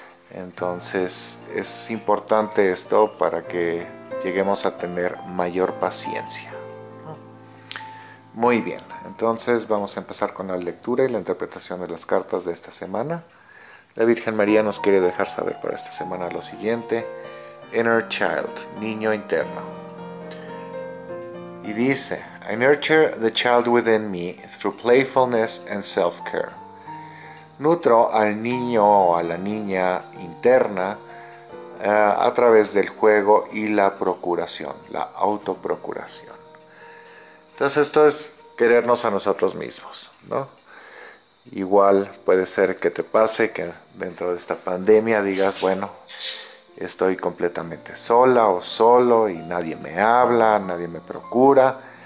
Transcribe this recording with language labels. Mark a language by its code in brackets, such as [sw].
[es] Entonces es importante esto para que lleguemos a tener mayor paciencia. Muy bien, entonces vamos a empezar con la lectura y la interpretación de las cartas de esta semana. La Virgen María nos quiere dejar saber para esta semana lo siguiente. [en] Inner Child, [es] niño interno. Y dice, [en] I nurture the child within me through playfulness and self-care. [es] Nutro al niño o a la niña interna a través del juego y la procuración, la autoprocuración. Entonces esto es querernos a nosotros mismos, ¿no? Igual puede ser que te pase que dentro de esta pandemia digas, bueno, estoy completamente sola o solo y nadie me habla, nadie me procura.